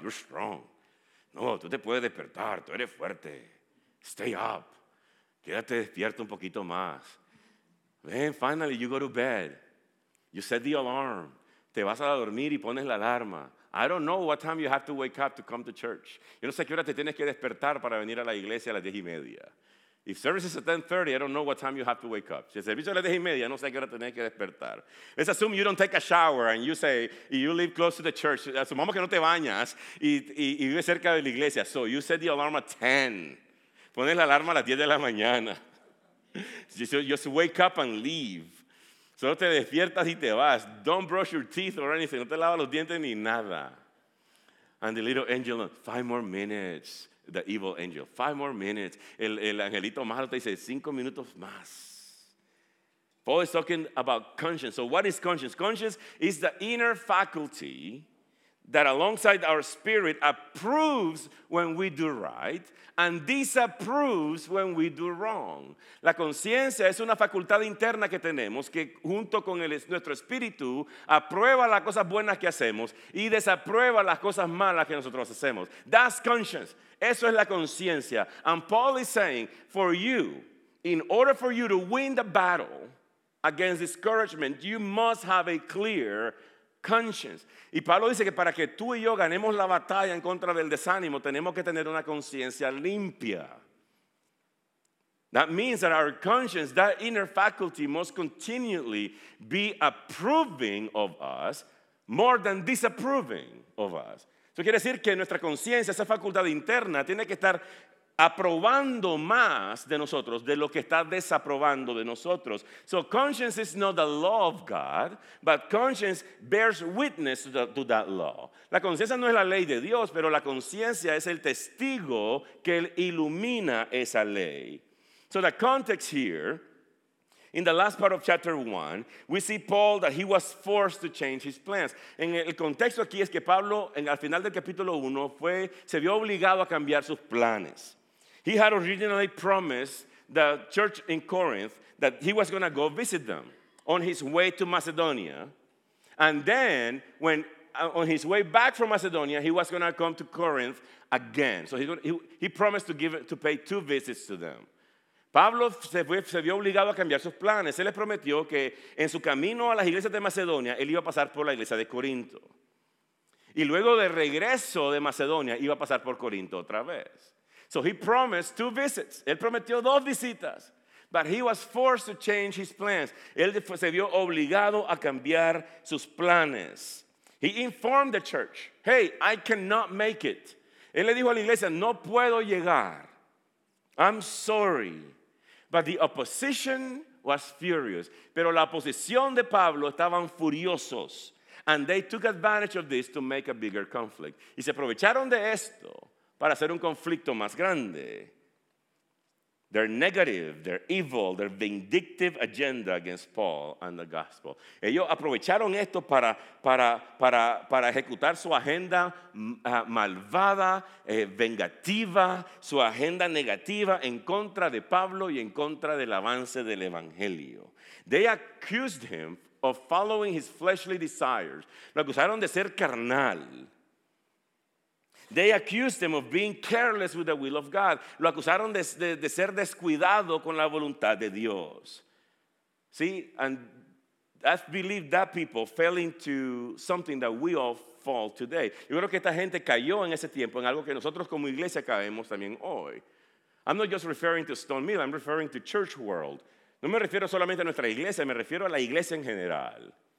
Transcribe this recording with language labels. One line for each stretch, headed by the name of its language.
English: You're strong.
Spanish: No, tú te puedes despertar. Tú eres fuerte.
English: Stay up.
Spanish: Quédate despierto un poquito más.
English: Then finally you go to bed. You set the alarm.
Spanish: Te vas a dormir y pones la alarma.
English: I don't know what time you have to wake up to come to church.
Spanish: Yo no sé qué hora te tienes que despertar para venir a la iglesia a las 10:30.
English: If service is at 10:30, I don't know what time you have to wake up.
Spanish: Si el servicio es a las 10:30, no sé qué hora tienes que despertar.
English: Let's assume you don't take a shower and you say, you live close to the church.
Spanish: Asumamos que no te bañas y vives cerca de la iglesia.
English: So you set the alarm at 10.
Spanish: Pones la alarma a las 10 de la mañana.
English: Just wake up and leave.
Spanish: Solo te despiertas y te vas.
English: Don't brush your teeth or anything.
Spanish: No te lavas los dientes ni nada.
English: And the little angel, 5 more minutes. The evil angel, 5 more minutes.
Spanish: El angelito malo te dice, 5 minutos más.
English: Paul is talking about conscience. So what is conscience? Conscience is the inner faculty that alongside our spirit approves when we do right and disapproves when we do wrong.
Spanish: La conciencia es una facultad interna que tenemos que junto con nuestro espíritu aprueba las cosas buenas que hacemos y desaprueba las cosas malas que nosotros hacemos.
English: That's conscience.
Spanish: Eso es la conciencia.
English: And Paul is saying, for you, in order for you to win the battle against discouragement, you must have a clear conscience.
Spanish: Y Pablo dice que para que tú y yo ganemos la batalla en contra del desánimo, tenemos que tener una conciencia limpia.
English: That means that our conscience, that inner faculty, must continually be approving of us more than disapproving of us.
Spanish: Eso quiere decir que nuestra conciencia, esa facultad interna, tiene que estar aprobando más de nosotros de lo que está desaprobando de nosotros.
English: So conscience is not the law of God, but conscience bears witness to that law.
Spanish: La conciencia no es la ley de Dios, pero la conciencia es el testigo que ilumina esa ley.
English: So the context here, in the last part of chapter 1, we see Paul that he was forced to change his plans.
Spanish: En el contexto aquí es que Pablo, al final del capítulo 1, se vio obligado a cambiar sus planes.
English: He had originally promised the church in Corinth that he was going to go visit them on his way to Macedonia. And then, when on his way back from Macedonia, he was going to come to Corinth again. So he promised to pay 2 visits to them.
Spanish: Pablo se vio obligado a cambiar sus planes. Él les prometió que en su camino a las iglesias de Macedonia, él iba a pasar por la iglesia de Corinto. Y luego de regreso de Macedonia, iba a pasar por Corinto otra vez.
English: So he promised two visits.
Spanish: Él prometió dos visitas.
English: But he was forced to change his plans.
Spanish: Él se vio obligado a cambiar sus planes.
English: He informed the church, hey, I cannot make it.
Spanish: Él le dijo a la iglesia, no puedo llegar.
English: I'm sorry. But the opposition was furious.
Spanish: Pero la oposición de Pablo estaban furiosos.
English: And they took advantage of this to make a bigger conflict.
Spanish: Y se aprovecharon de esto para hacer un conflicto más grande.
English: Their negative, their evil, their vindictive agenda against Paul and the gospel.
Spanish: Ellos aprovecharon esto para ejecutar su agenda malvada, vengativa, su agenda negativa en contra de Pablo y en contra del avance del evangelio.
English: They accused him of following his fleshly desires.
Spanish: Lo acusaron de ser carnal.
English: They accused him of being careless with the will of God.
Spanish: Lo acusaron de ser descuidado con la voluntad de Dios.
English: See, and I believe that people fell into something that we all fall today.
Spanish: Yo creo que esta gente cayó en ese tiempo en algo que nosotros como iglesia caemos también hoy.
English: I'm not just referring to Stone Mill, I'm referring to church world.
Spanish: No me refiero solamente a nuestra iglesia, me refiero a la iglesia en general.